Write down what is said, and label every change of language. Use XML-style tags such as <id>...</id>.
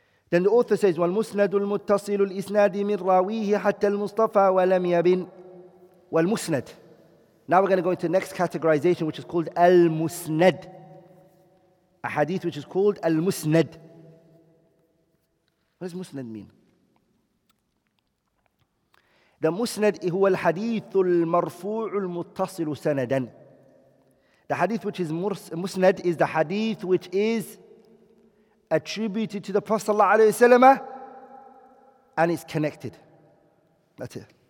<en>Then the author says,</en> <ar>والمسند المتصل الإسناد من راويه حتى المصطفى ولم يبن. والمسند.</ar> <en>Now we're going to go into the next categorization, which is called المسند. A hadith which is called المسند. What does مسند mean?</en> <ar>The musnad هو الحديث المرفوع المتصل سندا.</ar> <en>The hadith which is musnad is the hadith which is attributed to the Prophet sallallahu alaihi wasallam and is connected. That's it.</en>